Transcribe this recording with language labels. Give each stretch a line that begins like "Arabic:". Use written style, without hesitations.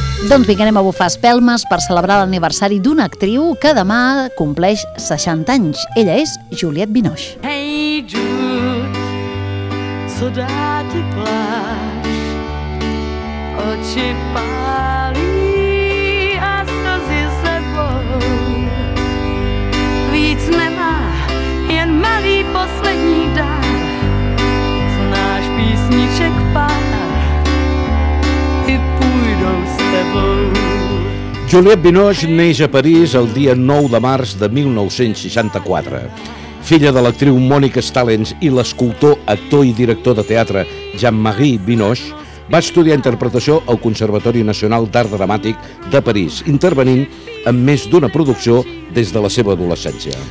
Catalan: Doncs vinga, anem a bufar espelmes per celebrar l'aniversari d'una actriu que demà compleix 60 anys. Ella és Juliette Binoche.
English: Hey Jude, so that you glad.
Czech: Oči pálí a slzy sebou, víc nemá jen malý poslední dár, znáš písniček pár, i půjdou s tebou.
Catalan: Juliette Binoche neix a París el dia 9 de març de 1964. Filla de l'actriu Mònica Stalens i l'escultor, actor i director de teatre Jean-Marie Binoche, va estudiar interpretació al Conservatori Nacional d'Art Dramàtic de París, intervenint en més d'una producció des de la seva adolescència.